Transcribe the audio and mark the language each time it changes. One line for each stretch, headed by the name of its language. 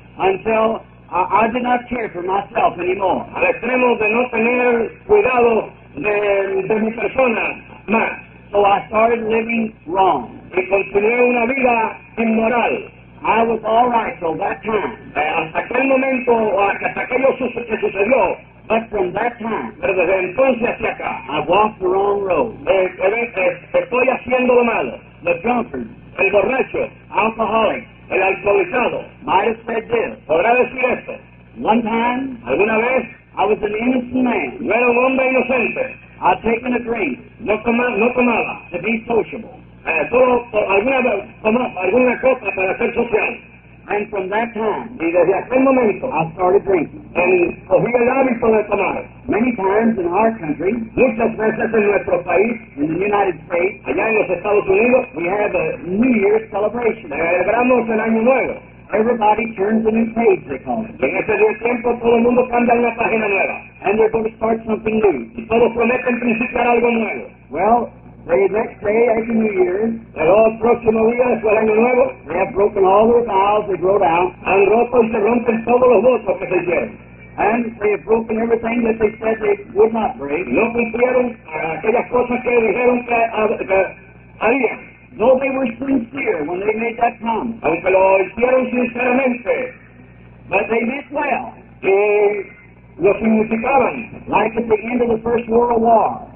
English: Until I did not care for myself anymore.
Spanish: Al extremo de no tener cuidado de mi persona más.
English: So I started living wrong.
Spanish: Y continué una vida inmoral.
English: I was all right till that time.
Spanish: Hasta aquel momento, hasta aquello que sucedió.
English: But from that time,
Spanish: pero desde entonces hacia acá,
English: I walked the wrong road.
Spanish: Estoy haciendo lo malo.
English: The drunkard.
Spanish: El borracho.
English: Alcoholic.
Spanish: El alcoholizado.
English: Might have said this.
Spanish: ¿Podrá decir esto?
English: One time,
Spanish: alguna vez,
English: I was an innocent man.
Spanish: Yo era un hombre inocente.
English: I'd taken a drink.
Spanish: No tomaba.
English: To be sociable.
Spanish: Alguna copa para ser social.
English: And from that time,
Spanish: y desde aquel momento,
English: I started drinking.
Spanish: And cogí el hábito de tomar.
English: Many times in our country,
Spanish: muchas veces en nuestro país,
English: in the United States,
Spanish: allá en los Estados Unidos,
English: we have a New Year's celebration.
Spanish: Celebramos el año nuevo.
English: Everybody turns a new page, they call it.
Spanish: En ese día tiempo, todo el mundo cambia una página nueva.
English: And they're going to start something new.
Spanish: Y todos prometen principiar algo nuevo.
English: Well, the next day, every New Year, they have broken all their vows, they grow down,
Spanish: han roto y se rompen todos los votos que se hicieron.
English: And they have broken everything that they said they would not break.
Spanish: No cumplieron aquellas cosas que dijeron que harían.
English: Though they were sincere when they made that promise,
Spanish: aunque lo hicieron sinceramente,
English: but they meant well.
Spanish: Y lo significaban.
English: Like at the end of the First World War.